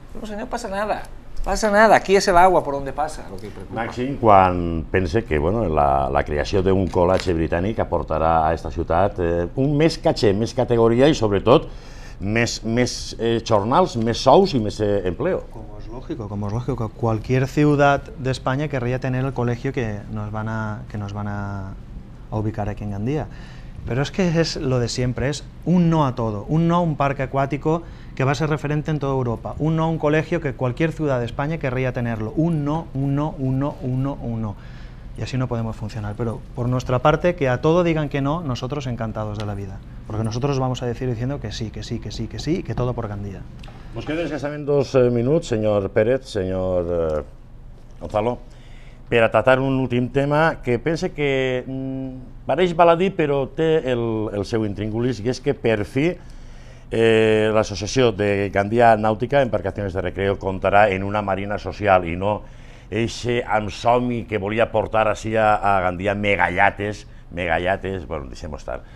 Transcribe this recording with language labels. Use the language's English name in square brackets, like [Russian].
[Catalan] No, senyor, passa nada, passa nada, aquí és l'aigua per on passa, el que preocupa. Màxim, quan pense que bueno, la creació d'un col·legi britànic aportarà a aquesta ciutat un més caché, més categoria i sobretot més jornals, més sous i més empleo. [Spanish] Como es lógico, cualquier ciudad de España querría tener el colegio que nos van a ubicar aquí en Gandía. Pero es que es lo de siempre, es un no a todo, un no a un parque acuático que va a ser referente en toda Europa, un no a un colegio que cualquier ciudad de España querría tenerlo, un no, un no, un no, un no, un no. Y así no podemos funcionar, pero por nuestra parte, que a todo digan que no, nosotros encantados de la vida. Porque nosotros vamos a decir diciendo que sí, que sí, que sí, que sí, que todo por Gandía. [Catalan] Nos queden exactament dos minuts, senyor Pérez, senyor Gonzalo, per a tratar un últim tema que pense que pareix baladí però té el seu intríngulis, i és que per fi l'associació de Gandia Nàutica Embarcaciones de Recreo comptarà en una marina social i no eixe ansomi que volia portar així a Gandia megallates, bueno, deixem-ho estar.